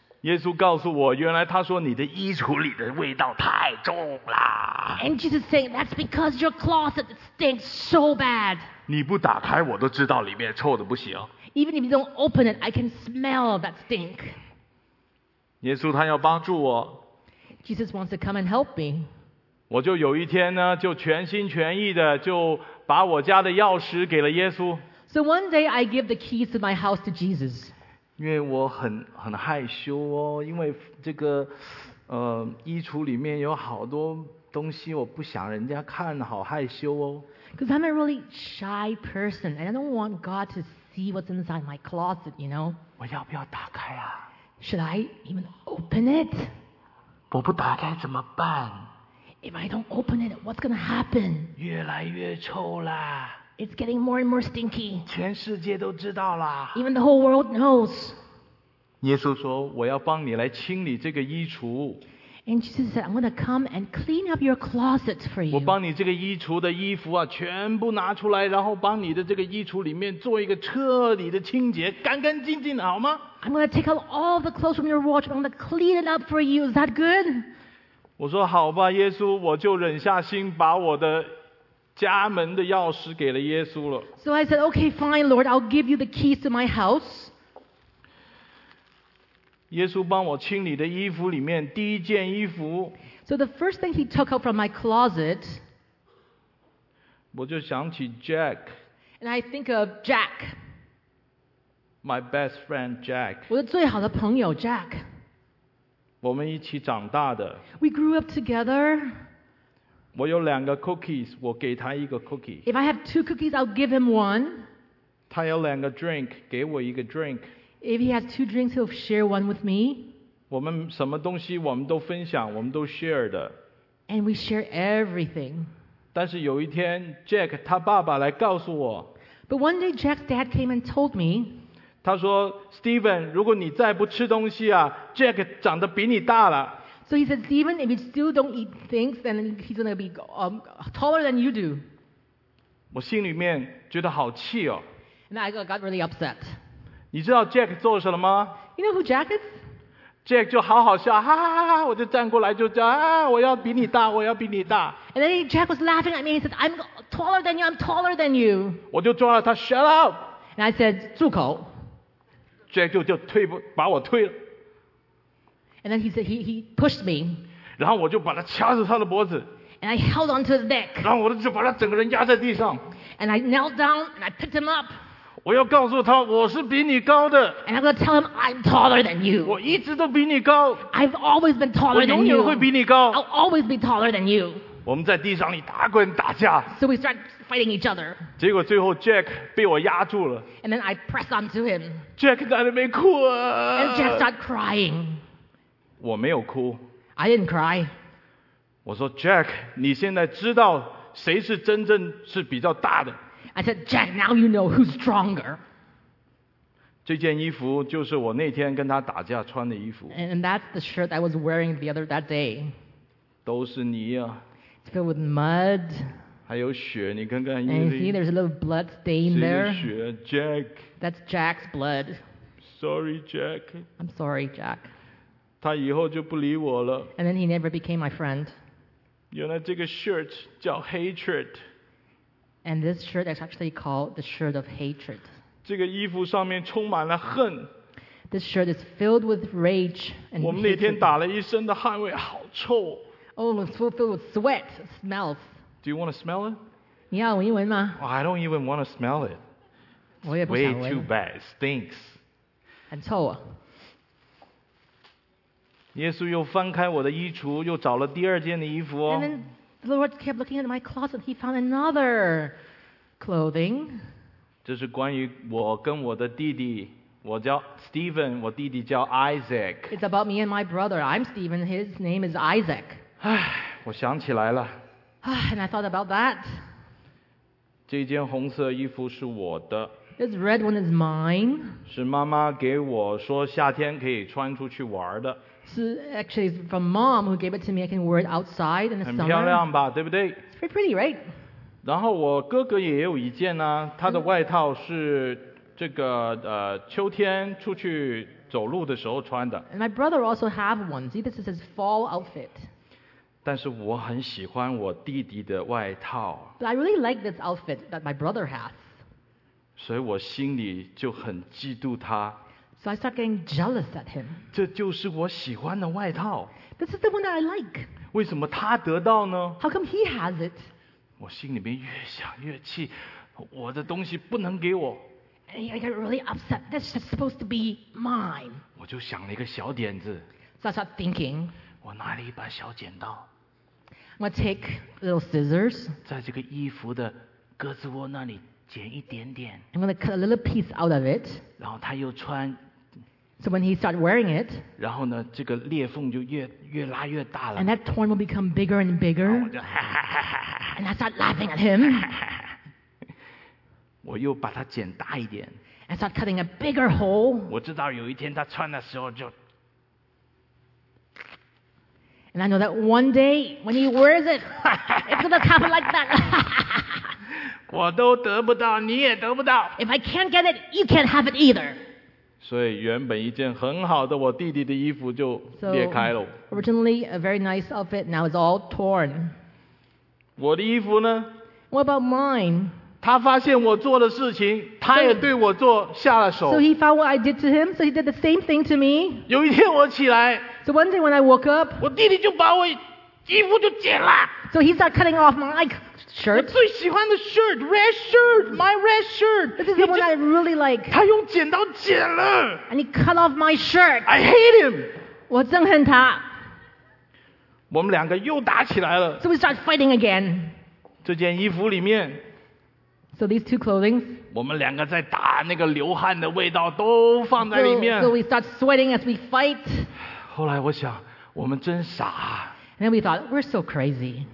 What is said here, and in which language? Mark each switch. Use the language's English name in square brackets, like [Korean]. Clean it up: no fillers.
[Chinese] 耶稣告诉我，原来他说你的衣橱里的味道太重了。 [English] And Jesus saying that's because your closet stinks so bad. [Chinese] 你不打开我都知道里面臭得不行。 [English] Even if you don't open it, I can smell that stink. [Chinese] 耶稣他要帮助我。 [English] Jesus wants to come and help me. [Chinese] 我就有一天呢，就全心全意的就把我家的钥匙给了耶稣。 [English] So one day I give the keys of my house to Jesus. [Chinese] 因为我很害羞哦，因为这个衣橱里面有好多。东西我不想人家看好害羞哦。 [English] Because I'm a really shy person and I don't want God to see what's inside my closet, you know? [Chinese] 我要不要打开啊 [English] ？Should I even open it? [Chinese] 我不打开怎么办 [English] ？If I don't open it, what's gonna happen? [Chinese] 越来越臭啦。 [English] It's getting more and more stinky. [Chinese] 全世界都知道啦。 [English] Even the whole world knows. [Chinese] 耶稣说，我要帮你来清理这个衣橱。 [English] And Jesus said, I'm going to come and clean up your closets for you. [Chinese] 我帮你这个衣橱的衣服啊，全部拿出来，然后帮你的这个衣橱里面做一个彻底的清洁，干干净净的，好吗？ [English] I'm going to take out all the clothes from your wardrobe. I'm going to clean it up for you. Is that good? [Chinese] 我说好吧，耶稣，我就忍下心把我的家门的钥匙给了耶稣了。 [English] So I said, okay, fine, Lord, I'll give you the keys to my house. [Chinese] 耶稣帮我清理的衣服里面第一件衣服 [English] So the first thing he took out from my closet [Chinese] 我就想起 Jack [English] And I think of Jack My best friend Jack [Chinese] 我的最好的朋友 Jack 我们一起长大的 [English] We grew up together [Chinese] 我有两个 cookies 我给他一个 cookie [English] If I have two cookies I'll give him one [Chinese] 他有两个 drink 给我一个 drink [English] If he has two drinks, he'll share one with me. [Chinese] 我们什么东西我们都分享，我们都 share 的。 [English] And we share everything. [Chinese] 但是有一天 ，Jack 他爸爸来告诉我。 [English] But one day Jack's dad came and told me. [Chinese] 他说 ，Steven， 如果你再不吃东西啊 ，Jack 长得比你大了。 [English] So he said, Steven, if you still don't eat things, then he's gonna be taller than you do. [Chinese] 我心里面觉得好气哦。 [English] And I got really upset. [Chinese] 你知道 Jack 做什么吗 [English] ？You know who Jack is? [Chinese] Jack 就好好笑，哈哈哈哈！我就站过来就叫啊，我要比你大，我要比你大。 [English] And then Jack was laughing at me. He said, "I'm taller than you. I'm taller than you." [Chinese] 我就抓了他 ， [English] Shut up! And I said, [Chinese] 住口。 Jack 就退步，把我推了。 [English] And then he said, he pushed me. [Chinese] 然后我就把他掐住他的脖子。 [English] And I held onto his neck. [Chinese] 然后我就把他整个人压在地上。 [English] And I knelt down and I picked him up. [Chinese] 我要告诉他我是比你高的。 [English] And I'm gonna tell him I'm taller than you. [Chinese] 我一直都比你高。 [English] I've always been taller than you. [Chinese] 我永远会比你高。 [English] I'll always be taller than you. [Chinese] 我们在地上里打滚打架。 [English] So we start fighting each other. [Chinese] 结果最后 Jack 被我压住了。 [English] And then I press onto him. [Chinese] Jack 在那边哭啊。 [English] And Jack start crying. [Chinese] 我没有哭。 [English] I didn't cry. [Chinese] 我说 Jack, 你现在知道谁是真正是比较大的。 [English] I said, Jack, now you know who's stronger. [Chinese] 这件衣服就是我那天跟他打架穿的衣服。 [English] And that's the shirt I was wearing the other that day. [Chinese] 都是泥啊。 [English] It's filled with mud. [Chinese] 还有血，你看看。 [English] And you see, there's a little blood stain there. [Chinese] 血 ，Jack. [English] That's Jack's blood. Sorry, Jack. I'm sorry, Jack. [Chinese] 他以后就不理我了。 [English] And then he never became my friend. [Chinese] 原来这个 shirt 叫 hatred. [English] And this shirt is actually called the shirt of hatred. [Chinese] 这个衣服上面充满了恨。 [English] This shirt is filled with rage and. [Chinese] 我们那天打了一身的汗味，好臭。 [English] Oh, it's filled with sweat, smells. Do you want to smell it? [Chinese] 你要闻一闻吗 [English] ？I don't even want to smell it. [Chinese] 我也不想 [English] 闻。Way too bad, it stinks. [Chinese] 很臭啊。耶稣又翻开我的衣橱，又找了第二件的衣服哦。 [English] The Lord kept looking at my closet. He found another clothing. [Chinese] 这是关于我跟我的弟弟。我叫 Steven， 我弟弟叫 Isaac. [English] It's about me and my brother. I'm Steven. His name is Isaac. [Chinese] 唉，我想起来了。 [English] And I thought about that. [Chinese] 这件红色衣服是我的。 [English] This red one is mine. [Chinese] 是妈妈给我说夏天可以穿出去玩的。 [English] So actually, it's from mom who gave it to me. I can wear it outside in the summer. [Chinese] 很漂亮吧，对不对 [English] ？It's pretty, pretty, right? [Chinese] 然后我哥哥也有一件呢、啊，他的外套是这个秋天出去走路的时候穿的。 [English] And my brother also have one. See, this is his fall outfit. [Chinese] 但是我很喜欢我弟弟的外套。 [English] But I really like this outfit that my brother has. [Chinese] 所以我心里就很嫉妒他。 [English] So I start getting jealous at him. [Chinese] 这就是我喜欢的外套。 [English] This is the one that I like. [Chinese] 为什么他得到呢 [English] ？How come he has it? [Chinese] 我心里面越想越气，我的东西不能给我。 [English] And I got really upset. This is supposed to be mine. [Chinese] 我就想了一个小点子。 [English] So I start thinking. [Chinese] 我拿了一把小剪刀。 [English] I'm gonna take little scissors. [Chinese] 在这个衣服的胳肢窝那里。剪一点点 [English] I'm going to cut a little piece out of it. [Chinese] 然后他又穿 [English] So when he started wearing it, [Chinese] 然后呢这个裂缝就越拉越大了 [English] And that torn will become bigger and bigger. [Chinese] 然后我就 [English] And I start laughing at him. [Chinese] 我又把它剪大一点 [English] and start cutting a bigger hole. [Chinese] 我知道有一天他穿的时候就。 [English] And I know that one day when he wears it, it's gonna come like that. [Chinese] 我都得不到，你也得不到。 [English] If I can't get it, you can't have it either. [Chinese] 所以原本一件很好的我弟弟的衣服就裂开了。 [English] So, originally a very nice outfit, now it's all torn. [Chinese] 我的衣服呢？ [English] What about mine? [Chinese] 他发现我做的事情，他也对我做下了手。 [English] So he found what I did to him, so he did the same thing to me. [Chinese] 有一天我起来。 [English] So one day when I woke up, [Chinese] 我弟弟就把我衣服就剪了。 [English] So he started cutting off my shirt. [Chinese] 我最喜欢的 [English] shirt, red shirt, my red shirt. This is the one I really like. [Chinese] 他用剪刀剪了。 [English] And he cut off my shirt. I hate him. [Chinese] 我憎恨他。我们两个又打起来了。 [English] So we start fighting again. [Chinese] 这件衣服里面 [English] so these two clothings, [Chinese] 我们两个在打那个流汗的味道都放在里面 [English] so we start sweating as we fight. [Chinese] 后来我想我们真傻 [English] And then we thought, we're so crazy.